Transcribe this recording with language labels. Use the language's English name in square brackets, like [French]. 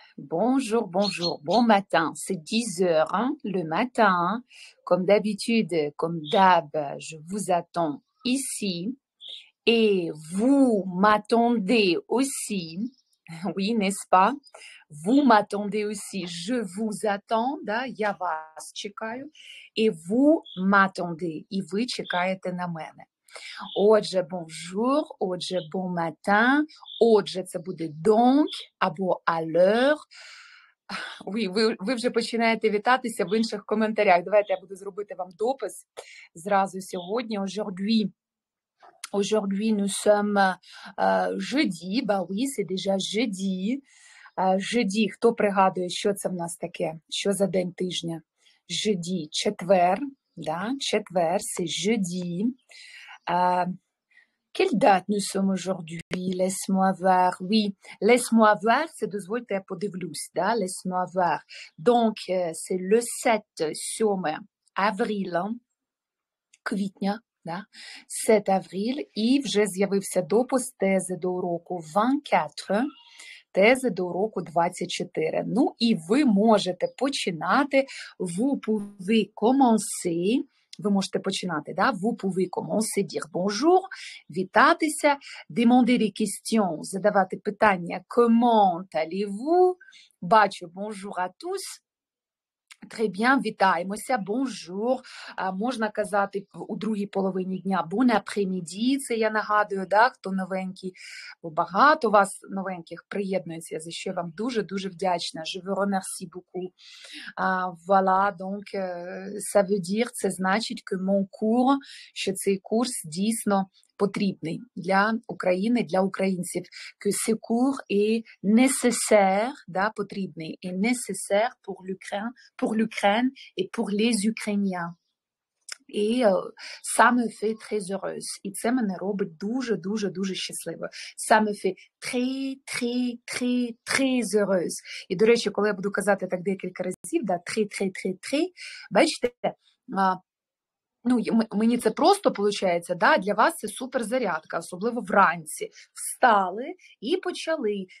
[French] Bonjour, bonjour, bon matin, c'est 10 h, hein? Le matin, hein? Comme d'habitude, comme d'hab, je vous attends ici et vous m'attendez aussi, oui, n'est-ce pas? Vous m'attendez aussi, je vous attends, да? [Ukrainian] Я вас чекаю, [French] et vous m'attendez, [Ukrainian] и вы чекаєте на мене. Отже, бонжур, отже, бон матан, отже, це буде донк або алер. Ви вже починаєте вітатися в інших коментарях. Давайте я буду зробити вам допис зразу сьогодні. [French] Aujourd'hui, aujourd'hui nous sommes jeudi, bah oui, c'est déjà jeudi. [Ukrainian] Jeudi, хто пригадує, що це в нас таке? Що за день тижня? Jeudi, четвер, да? [French] Четвер, c'est jeudi. Quelle date nous sommes aujourd'hui? Laisse-moi voir. Oui, laisse-moi voir, c'est [Ukrainian] дозвольте я подивлюсь, [French] да? Laisse-moi voir. Donc, c'est le 7 7 avril, hein? [Ukrainian] Квітня, да? [French] 7 avril, [Ukrainian] і вже з'явився допис тези до уроку 24, тези до уроку 24. Ну, і ви можете починати, [French] vous pouvez commencer. [Ukrainian] Ви можете починати, да? [French] Vous pouvez commencer, dire bonjour, вітатися, demander des questions, [Ukrainian] задавати питання, [French] comment allez-vous? Бачу, bonjour à tous. Très bien, вітаємося, bonjour. [Ukrainian] А можна казати у другій половині дня, [French] bon après-midi, [Ukrainian] це я нагадую, да? Хто новенький, бо багато вас новеньких приєднується, за що я вам дуже-дуже вдячна. [French] Je vous remercie beaucoup. Voilà, donc, ça veut dire, [Ukrainian] це значить, [French] que mon cours, [Ukrainian] що цей курс дійсно потрібний для України, для українців. [French] Que ce cours est nécessaire, да, потрібний, est nécessaire pour l'Ukraine et pour les Ukrainiens. Et ça me fait très heureuse. [Ukrainian] І це мене робить дуже-дуже-дуже щасливо. [French] Ça me fait très, très, très, très heureuse. [Ukrainian] І, до речі, коли я буду казати так декілька разів, да, [French] très, très, très, très, [Ukrainian] бачите, ну, мені це просто получається, да? Для вас це суперзарядка, особливо вранці. Встали і почали.